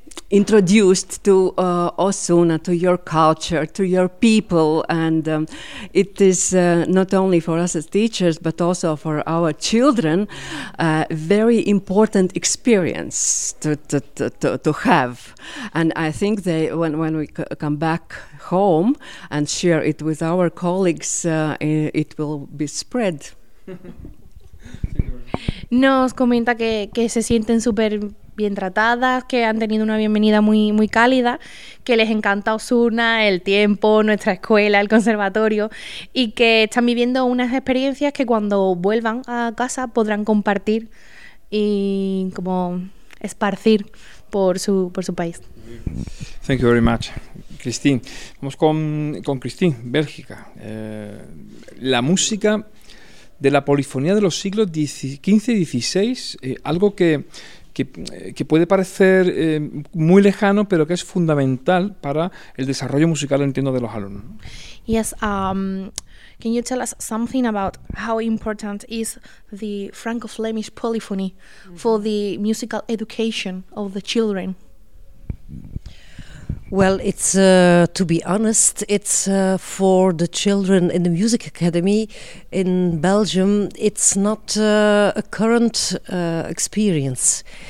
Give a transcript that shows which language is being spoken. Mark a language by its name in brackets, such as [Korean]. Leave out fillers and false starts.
[English] introduced to Osuna, to your culture, to your people, and it is not only for us as teachers but also for our children a very important experience to have. And I think they, when we come back home and share it with our colleagues, it will be spread. [Spanish] Nos comenta que se sienten súper bien tratadas, que han tenido una bienvenida muy, muy cálida, que les encanta Osuna, el tiempo, nuestra escuela, el conservatorio, y que están viviendo unas experiencias que cuando vuelvan a casa podrán compartir y como esparcir por su país. [English] Thank you very much, Christine. [Spanish] Vamos con Christine, Bélgica. La música de la polifonía de los siglos XV y XVI, algo que puede parecer muy lejano, pero que es fundamental para el desarrollo musical, entiendo, de los alumnos. [English] Yes, can you tell us something about how important is the Franco-Flemish polyphony for the musical education of the children? Well, it's to be honest, it's for the children in the music academy in Belgium, it's not a current experience.